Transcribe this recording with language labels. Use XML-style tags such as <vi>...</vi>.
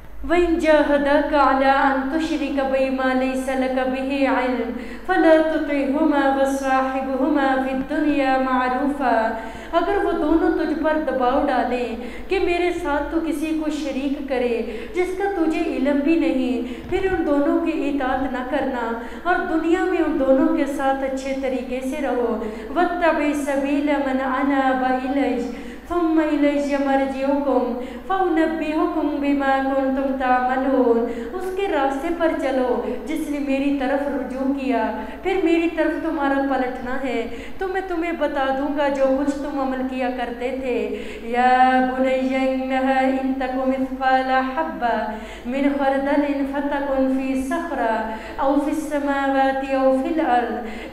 <ar>وَإِن جَاهَدَاكَ عَلَىٰ أَن تُشْرِكَ بِمَا لَيْسَ لَكَ بِهِ عِلْمٌ فَلَا تُطِعْهُمَا وَصَاحِبْهُمَا فِي الدُّنْيَا مَعْرُوفًا.</ar> <ur>اگر وہ دونوں تجھ پر دباؤ ڈالیں کہ میرے ساتھ تو کسی کو شریک کرے جس کا تجھے علم بھی نہیں, پھر ان دونوں کی اطاعت نہ کرنا, اور دنیا میں ان دونوں کے ساتھ اچھے طریقے سے رہو.</ur> <ar>وَاتَّبِعْ سَبِيلَ مَنْ أَنَابَ إِلَيَّ ثم إلي مرجعكم فأنبئكم بما كنتم تعملون.</ar> <ur>اس کے راستے پر چلو جس نے میری طرف رجوع کیا, پھر میری طرف تمہارا پلٹنا ہے تو میں تمہیں بتا دوں گا جو کچھ تم عمل کیا کرتے تھے.</ur> <ar>یا بنی انہا ان تک مثقال حبۃ من خردل فتکن فی صخرۃ او فی السماوات او فی الارض.</ar>